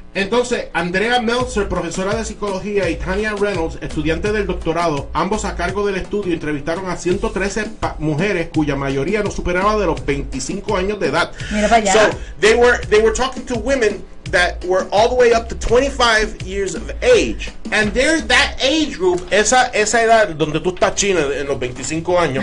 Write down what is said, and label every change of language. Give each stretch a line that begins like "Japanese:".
Spanish: Entonces, Andrea Meltzer, profesora de psicología, y Tanya Reynolds, estudiante del doctorado, ambos a cargo del estudio, entrevistaron a 113 mujeres cuya mayoría no superaba de los 25 años de edad. Mira para allá.
English: So, they were talking to women that were all the way up to 25 years of age. And they're that age group.
Spanish: Esa edad donde tú estás chino en los 25 años.